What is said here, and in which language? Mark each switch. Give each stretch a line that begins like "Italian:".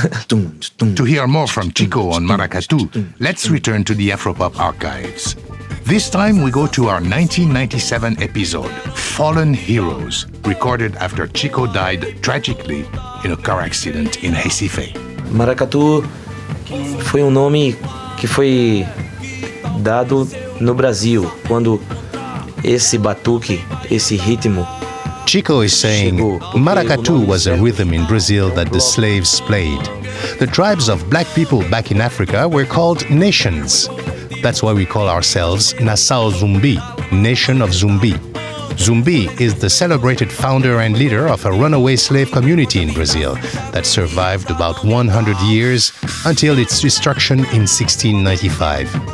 English: To hear more from Chico on Maracatu, let's return to the Afropop archives. This time we go to our 1997 episode, Fallen Heroes, recorded after Chico died tragically in a car accident in Recife.
Portuguese: Maracatu foi nome que foi dado no Brasil quando esse batuque, esse ritmo.
English: Chico is saying Maracatu was a rhythm in Brazil that the slaves played. The tribes of black people back in Africa were called nations. That's why we call ourselves Nassau Zumbi, Nation of Zumbi. Zumbi is the celebrated founder and leader of a runaway slave community in Brazil that survived about 100 years until its destruction in 1695.